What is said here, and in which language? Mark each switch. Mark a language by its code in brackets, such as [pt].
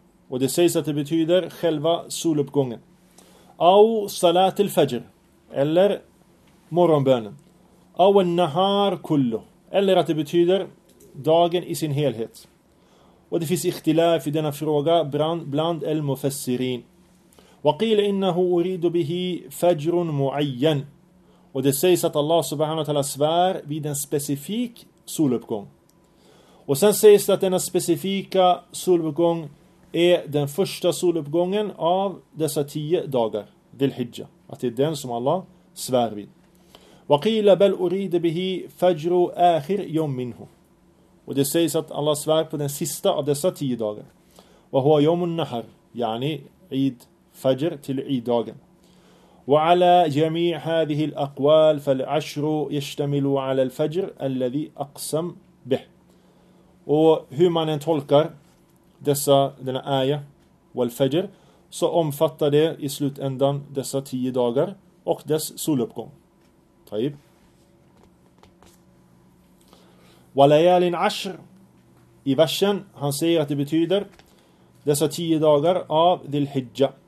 [sv] Och det sägs att det betyder själva soluppgången. [ar] Aw salat al-fajr, [sv] eller morgonbönen. [ar] Aw an-nahar kullu, [sv] eller att det betyder dagen i sin helhet. Och det finns ikhtilaf i denna fråga bland al-mufassirin. [ar] وقيل إنه أريد به فجر معين. [sv] Och det sägs att Allah subhanahu wa ta'ala svär vid en specifik soluppgång. Och sen sägs det att denna specifika soluppgång är den första soluppgången av dessa 10 dagar, Dhul-Hijjah. Att det är den som Allah svär vid. [ar] وقيل بل أريد به فجر آخر يوم منه. [sv] Och det sägs att Allah svär på den sista av dessa 10 dagar. [ar] وهو يوم النحر, يعني عيد فجر [sv] till عيدagen. [ar] وعلى جميع هذه الأقوال فالعشر يشتمل على الفجر الذي أقسم به. [sv] Och hur man än tolkar dessa, denna äja والفجر, så omfattar det i slutändan dessa 10 dagar och dess soluppgång. [ar] طيب. وليال عشر, [sv] i versen han säger att det betyder dessa 10 dagar av Dhul-Hijjah.